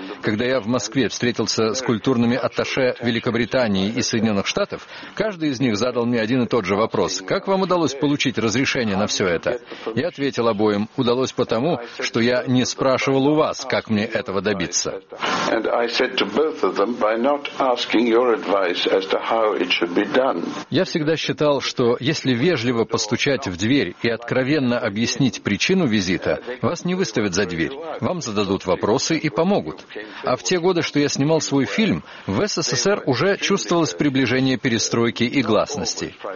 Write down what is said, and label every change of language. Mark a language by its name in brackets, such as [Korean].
[Russian] Когда я в Москве встретился с культурными атташе Великобритании и Соединенных Штатов, каждый из них задал мне один и тот же вопрос: «Как вам удалось получить разрешение на все это?» Я ответил обоим: «Удалось потому, что я не спрашивал у вас, как мне этого добиться». [English] And I said to both of them, by not asking your advice as to how it should be done. [Russian] Я всегда считал, что если вежливо постучать в дверь и откровенно объяснить причину визита, вас не выставят за дверь. Вам зададут вопросы и помогут. А в те годы, что я снимал свой фильм, в СССР уже чувствовалось приближение перестройки и гласности.